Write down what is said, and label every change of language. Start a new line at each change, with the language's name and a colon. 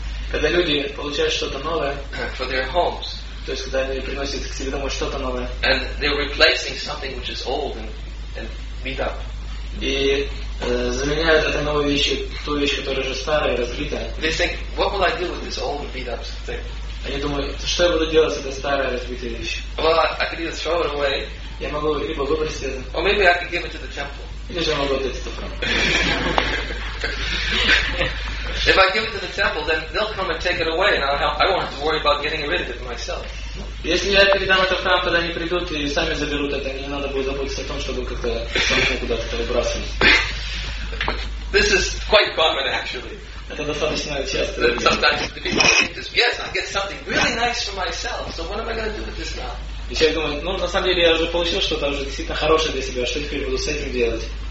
Russian: Когда люди получают что-то новое,
English: for their homes,
Russian: то есть когда они приносят к себе домой что-то новое,
English: and they're replacing something which is old and beat up.
Russian: И заменяют это новой вещью ту вещь, которая уже старая и разбитая.
English: They think, what will I do with this old and beat up thing?
Russian: Они думают, что я буду делать с этой старой разбитой вещью?
English: Well, I could either throw it away.
Russian: Я могу либо выбросить это.
English: Or maybe I could give it to the temple.
Russian: Или же я могу отдать это в храм.
English: If I give it to the temple, then they'll come and take it away, and I won't have to worry about getting rid of it myself.
Russian: Если я передам это в храм, тогда они придут и сами заберут это. Не надо будет заботиться о том, чтобы как-то самому куда-то это выбрасывать.
English: This is quite common, actually.
Russian: Это достаточно часто.
English: Sometimes the people think this. Yes, I get something really nice for myself. So what am I going to do with this now?
Russian: И человек думает, ну на самом деле я уже получил что-то уже действительно хорошее для себя. Что теперь буду с этим делать?